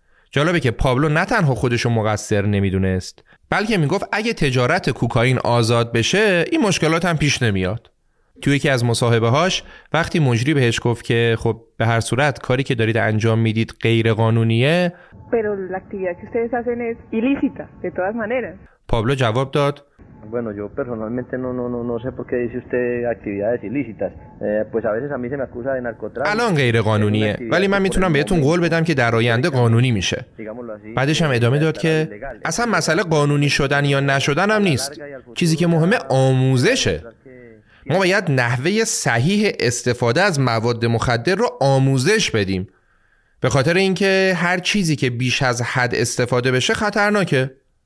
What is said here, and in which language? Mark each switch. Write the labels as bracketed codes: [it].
[fa] جالبه که پابلو نه تنها خودشو مقصر نمیدونست، بلکه میگفت اگه تجارت کوکائین آزاد بشه این مشکلات هم پیش نمیاد. توی یکی از مصاحبه‌هاش وقتی مجری بهش گفت که خب به هر صورت کاری که دارید انجام میدید غیر قانونیه، [es] pero la actividad que ustedes hacen es ilícita de todas maneras. [fa] Pablo جواب داد: [es] Bueno, yo personalmente no sé por qué dice usted actividades ilícitas. Pues a veces a mí se me acusa de narcotráfico. [fa] الان غیر قانونیه، ولی من میتونم بهتون قول بدم که در آینده قانونی میشه. بعدش هم ادامه داد که اصلا مسئله قانونی شدن یا نشدن هم نیست. چیزی که مهمه آموزشه. ما باید نحوه صحیح استفاده از مواد مخدر رو آموزش بدیم، به خاطر اینکه هر چیزی که بیش از حد استفاده بشه خطرناکه.